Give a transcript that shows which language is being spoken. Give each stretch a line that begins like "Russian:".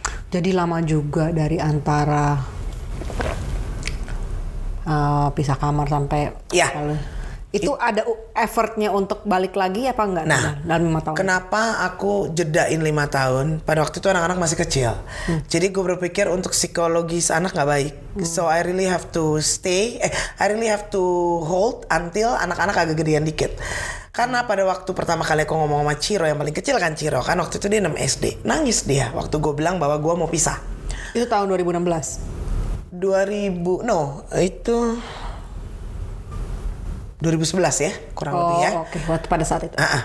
Indonesian: Jadi lama juga dari antara pisah kamar sampai... Iya. Itu ada effortnya untuk balik lagi apa enggak? Nah, dalam 5 tahun. Kenapa aku jedain 5 tahun? Pada waktu itu anak-anak masih kecil. Jadi gue berpikir untuk psikologis anak gak baik.
English: So I really have to stay. I really have to hold until
Indonesian: anak-anak agak gedean dikit. Karena pada waktu pertama kali aku ngomong sama Ciro, yang paling kecil kan Ciro, kan waktu itu dia 6 SD. Nangis dia waktu gue bilang bahwa gue mau pisah. Itu tahun 2016? 2000, no. Itu... 2011 ya, kurang lebih ya. Oke, okay. Waktu pada saat itu.